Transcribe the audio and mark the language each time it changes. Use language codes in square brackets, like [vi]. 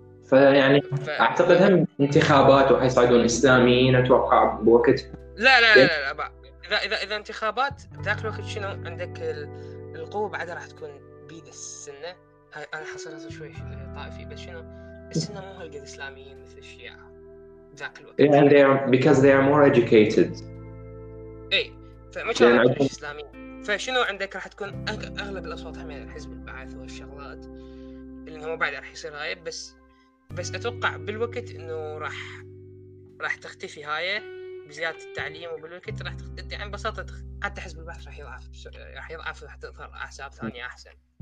[ar] فيعني اعتقد هم انتخابات وحيصعدون اسلاميين اتوقع بوقت لا لا لا لا اذا اذا اذا انتخابات ذاك الوقت شنو عندك القوة بعدها راح تكون بيد السنة هاي انا حصلت شوي طائفي بس شنو السنة مو هلقد اسلاميين مثل الشيعة [en] Yeah, and they are because they are more educated. [ar] إيه، فمثلاً الحزب الإسلامي. فشنو عندك راح تكون أغلب الأصوات هم من الحزب البعث والشغلات اللي هم بعد راح يصير هاي بس أتوقع بالوقت إنه راح تختفي هاي بزيادة التعليم وبالوقت راح تختفي يعني ببساطة حتى حزب البعث راح يضعف وراح تظهر أحزاب ثانية أحسن.